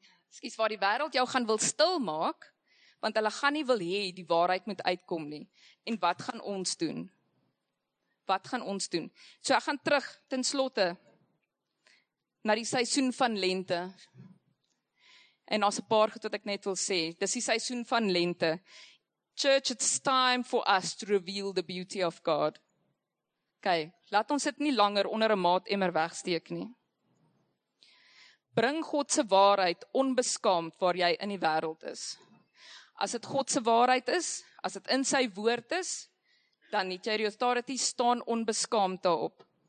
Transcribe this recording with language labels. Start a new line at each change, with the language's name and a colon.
Afrikaans: skus waar die wêreld jou gaan wil stil maak, want hulle gaan nie wil hê die waarheid moet uitkom nie. En wat gaan ons doen? Wat gaan ons doen? So ek gaan terug ten slotte na die seisoen van lente. En daar's 'n paar goed wat ek net wil sê. Dis die seisoen van lente.
English: Church, it's time for us to reveal the beauty of God.
Afrikaans: Okay, laat ons dit nie langer onder 'n maat emmer wegsteek nie. Bring God se waarheid onbeskaamd waar jy in die wêreld is. As dit God se waarheid is, as dit in sy woord is, dan het jy die authority, staan onbeskaamd daarop.